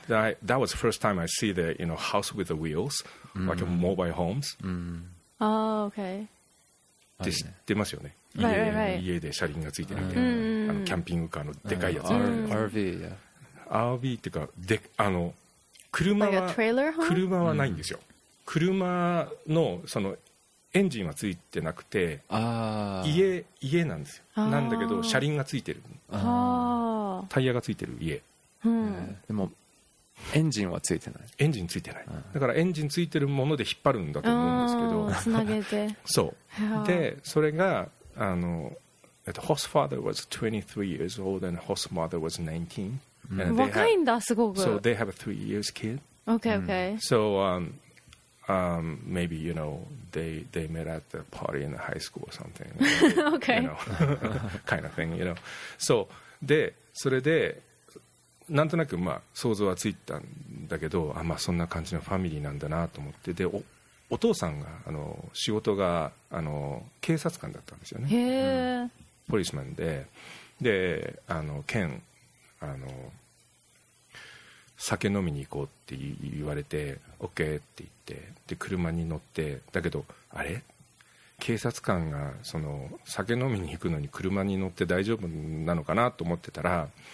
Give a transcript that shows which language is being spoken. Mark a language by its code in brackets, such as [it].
[en] That was the first time I see the you know house with the wheels, like a mobile homes. Oh, okay. [ja] 知ってますよね。家で車輪がついてるみたいな、あのキャンピングカーのでかいやつ。 [en] RV, yeah. [ja] RV っていうか、で、あの、車は、車はないんですよ。車の、その、エンジンはついてなくて、家なんですよ。なんだけど、車輪がついてる。タイヤがついてる家。でも、エンジンはついてない。エンジンついてない。だから、エンジンついてるもので引っ張るんだと思うんですけど。つなげて。そう。で、それが、あの、 [en] Host father was 23 years old and host mother was 19. [ja] Mm-hmm. And 若いんだ、すごく。 [en] So they have a 3 years kid. Okay, okay. So maybe, you know, they met at the party in high school or something. okay. know, kind of thing, you know. [ja] So, で、それで、なんとなくまあ想像はついたんだけど、あ、まあそんな感じのファミリーなんだなと思って、で、お父さんがあの仕事があの警察官だったんですよね。へえ、うん。ポリスマンで、で、あの県あの酒飲みに行こうって言われて、OK って言って、で車に乗って、だけどあれ警察官がその酒飲みに行くのに車に乗って大丈夫なのかなと思ってたら。